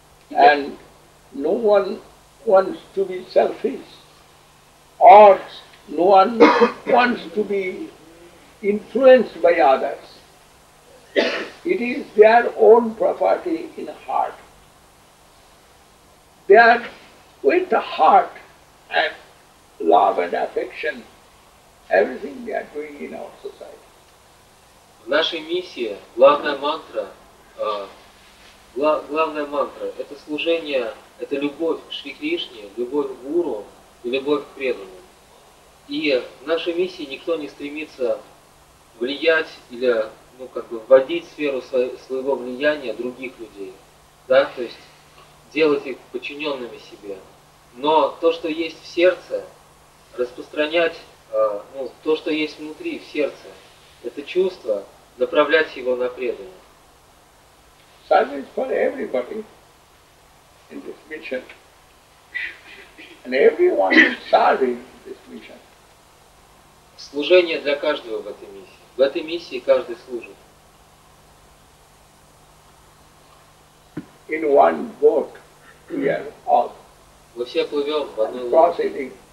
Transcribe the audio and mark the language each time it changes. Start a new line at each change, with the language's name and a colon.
English: And no one wants to be selfish, or no one wants to be influenced by others. It is their own property in heart. They are with the heart and love and affection. Everything they are doing in our society.
Russian: В нашей миссии главная мантра – это служение, это любовь к Шри Кришне, любовь к Гуру и любовь к преданным. И в нашей миссии никто не стремится влиять или вводить в сферу своего влияния других людей, да, то есть делать их подчиненными себе. Но то, что есть в сердце, распространять то, что есть внутри, в сердце, это чувство, направлять его на преданное.
English: Service for everybody in this mission. And everyone is serving this mission.
Russian: Служение для каждого в этой миссии. В этой миссии каждый служит.
English: In one boat we are all.
Russian: Мы все плывем в одной лодке.